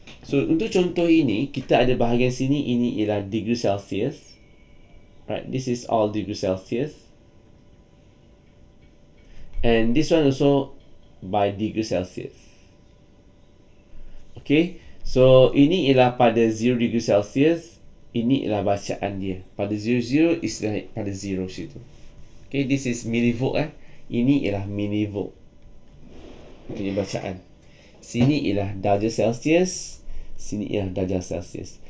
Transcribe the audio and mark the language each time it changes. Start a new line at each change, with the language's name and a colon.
Malay: So untuk contoh ini, kita ada bahagian sini, ini ialah degree Celsius.
English: Right, this is all degree Celsius. And this one also by degree Celsius.
Malay: Okay, so ini ialah pada 0 degree Celsius. Ini ialah bacaan dia. Pada 0, 0 is pada 0 situ.
English: Okay, this is millivolt eh.
Malay: Ini ialah millivolt punya bacaan. Sini ialah darjah Celsius. Sini ialah darjah Celsius.